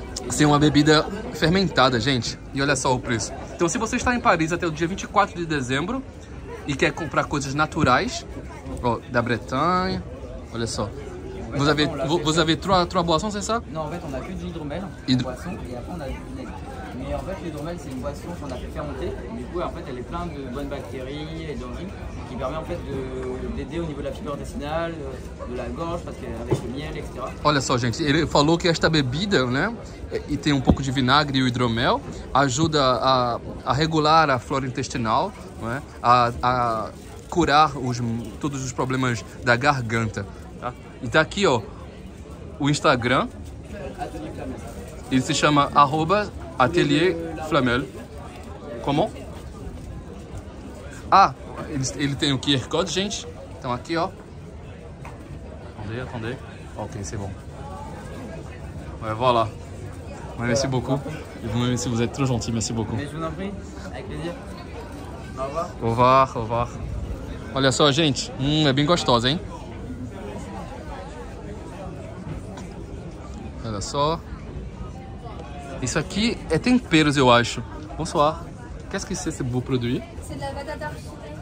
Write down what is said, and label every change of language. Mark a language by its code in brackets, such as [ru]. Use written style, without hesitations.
[pt] Sim, uma bebida fermentada, gente. E olha só o preço. Então, se você está em Paris até o dia 24 de dezembro e quer comprar coisas naturais, ó, da Bretanha, olha só. [fr] Vous avez trois boissons, c'est ça? Non, en fait, on a que de l'hydromel. Et après, on a du lait. Mais en fait, l'hydromel, c'est une boisson qu'on a fait fermenter. Du coup, en fait, elle est pleine de bonnes bactéries et d'enzymes qui permet en fait d'aider au niveau de la fibre intestinale, de la gorge, parce qu'avec le miel, etc. [pt] Olha só, gente, ele falou que esta bebida, né, e tem um pouco de vinagre e o hidromel, ajuda a regular a flora intestinal, não é? A curar todos os problemas da garganta. E tá aqui, ó, o Instagram. Ele se chama @atelierflamel. Como? Ah, ele tem o QR Code, gente. Então aqui, ó. [fr] Attendez. Ok, c'est bon. Ouais, voilà. Merci beaucoup. Merci, vous êtes trop gentil, merci beaucoup. Mais je vous en prie, avec plaisir. Au revoir. [pt] Olha só, gente. É bem gostosa, hein? Olha só. Isso aqui é temperos, eu acho. [fr] Bonsoir. Qu'est-ce que c'est ce beau produit? C'est de la batata d'archidée.